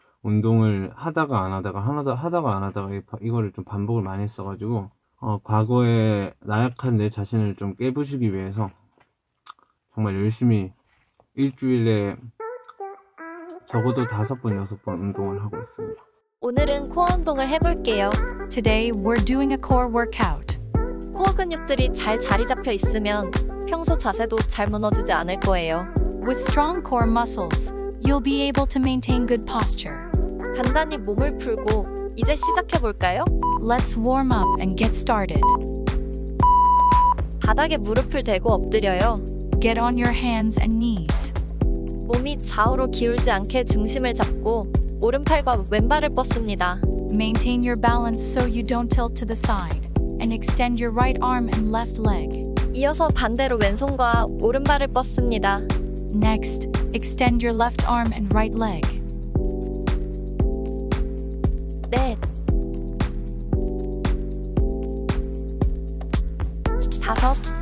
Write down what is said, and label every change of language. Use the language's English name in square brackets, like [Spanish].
[Korean] 운동을 하다가 안 하다가 하나도 하다가 안 하다가 이거를 좀 반복을 많이 했어가지고 과거에 나약한 내 자신을 좀 깨부수기 위해서 정말 열심히 일주일에 적어도 5번, 6번 운동을 하고 있습니다. 오늘은 코어 운동을 해볼게요. [English] Today we're doing a core workout. [Korean] 코어 근육들이 잘 자리 잡혀 있으면 평소 자세도 잘 무너지지 않을 거예요. [English] With strong core muscles, you'll be able to maintain good posture. [Korean] 간단히 몸을 풀고 이제 시작해 볼까요? [English] Let's warm up and get started. [Korean] 바닥에 무릎을 대고 엎드려요. [English] Get on your hands and knees. [Korean] 몸이 좌우로 기울지 않게 중심을 잡고 오른팔과 왼발을 뻗습니다. [English] Maintain your balance so you don't tilt to the side and extend your right arm and left leg. [Korean] 이어서 반대로 왼손과 오른발을 뻗습니다. [English] Next, extend your left arm and right leg. [Korean] 넷. 다섯.